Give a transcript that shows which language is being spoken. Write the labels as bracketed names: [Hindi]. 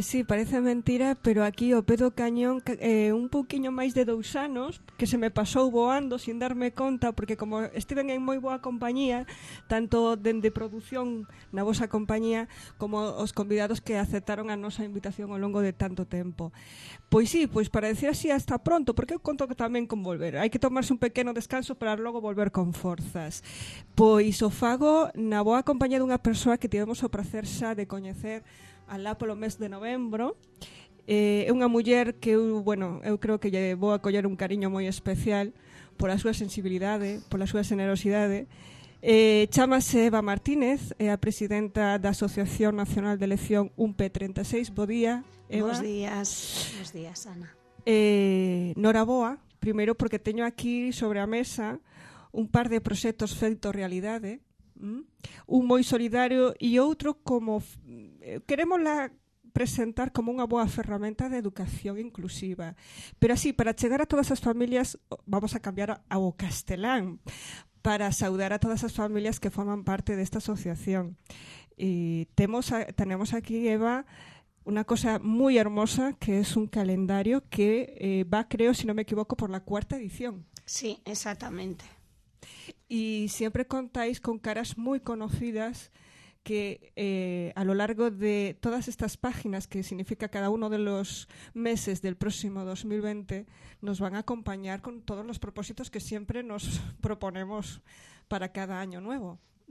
[Spanish] Sí, parece mentira, pero aquí o pedo cañón un poquillo más de 2 años que se me pasó voando sin darme cuenta, porque como estuve en muy buena compañía, tanto de producción, [Galician] na vosa compañía, como os convidados que aceptaron a nosa invitación [Spanish] a lo largo de tanto tiempo. Pues sí, pues para decir así hasta pronto, porque [Galician] eu conto [Spanish] también con volver. Hay que tomarse un pequeño descanso para luego volver con fuerzas. [Galician] Pois o fago na boa compañía dunha persoa que tivemos o prazer xa de coñecer alá polo mes de novembro. É unha muller que, bueno, eu creo que lle vou a coller un cariño moi especial pola súa sensibilidade, pola súa xenerosidade. Chámase Eva Martínez, é a presidenta da Asociación Nacional de Elección 1P36. Bo día, Eva. Bos días. Bos días, Ana. Noraboa, primeiro porque teño aquí sobre a mesa un par de proxectos feito realidade, un moi solidario e outro como queremosla presentar como unha boa ferramenta de educación inclusiva. Pero así, para chegar a todas as familias, vamos a cambiar ao castelán, para saudar a todas as familias que forman parte desta asociación. E tenemos aquí, Eva, unha cosa moi hermosa, que é un calendario que va, creo, se non me equivoco, [Spanish] por la 4ª edición. Sí, exactamente. Y siempre contáis con caras muy conocidas que a lo largo de todas estas páginas, que significa cada uno de los meses del próximo 2020, nos van a acompañar con todos los propósitos que siempre nos proponemos para cada año nuevo.